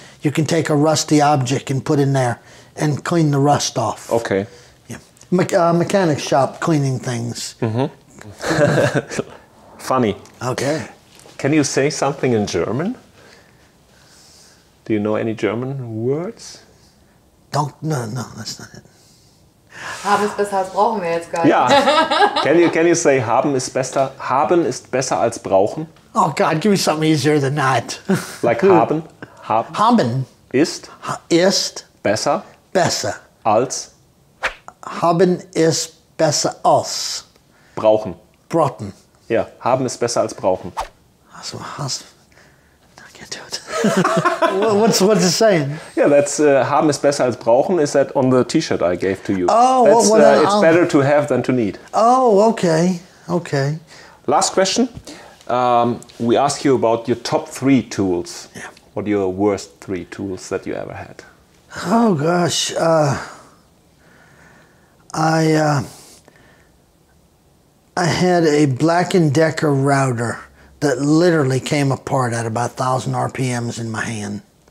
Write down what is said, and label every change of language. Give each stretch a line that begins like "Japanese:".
English: You can take a rusty object and put in there and clean the rust off. Okay. Yeah. Mechanic shop cleaning things. Mm-hmm. Funny. Okay. Can you say something in German? Do you know any German words? No, that's not it.
German: Haben ist besser als brauchen wir jetzt gar nicht. Ja.
English: Can you say
German: haben ist besser als brauchen?
English: Oh God, give me something easier than that. Like haben?
German: Haben ist? Ist? Besser? Besser. Als? Haben ist besser als? Brauchen. Brauchen. Ja, haben ist besser als brauchen.
English: Also, I can't do it. what's it saying? Yeah, that's
German: haben ist besser als brauchen.
English: Is that on the T-shirt I gave to you? Oh, that's, well, then it's better to have than to need. Oh, okay. Last question. We ask you about your top three tools. Yeah. What are your worst three tools that you ever had? Oh gosh, I had a Black and Decker router that literally came apart at about 1,000 RPMs in my hand.